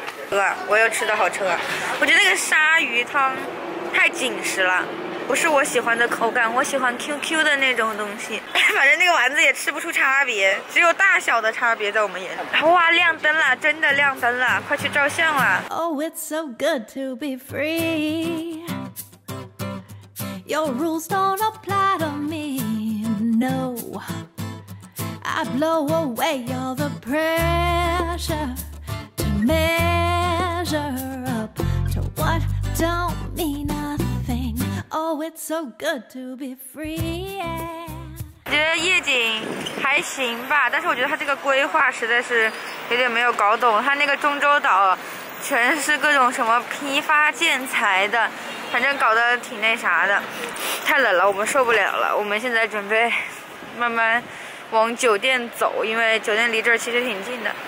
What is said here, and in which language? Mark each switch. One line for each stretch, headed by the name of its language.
Chinese: 哥，我又吃的好撑啊！我觉得那个鲨鱼汤太紧实了，不是我喜欢的口感，我喜欢 QQ 的那种东西。反正那个丸子也吃不出差别，只有大小的差别在我们眼里。哇，亮灯了，真的亮灯了，快去照相了。
English: Oh, it's so good to be free. Your rules don't apply to me, no. I blow away all the pressure to measure up to what don't mean a thing. Oh, it's so good to be free, yeah.
Chinese: 觉得夜景还行吧，但是我觉得它这个规划实在是有点没有搞懂。它那个中洲岛全是各种什么批发建材的，反正搞得挺那啥的，太冷了，我们受不了了。我们现在准备慢慢往酒店走，因为酒店离这儿其实挺近的。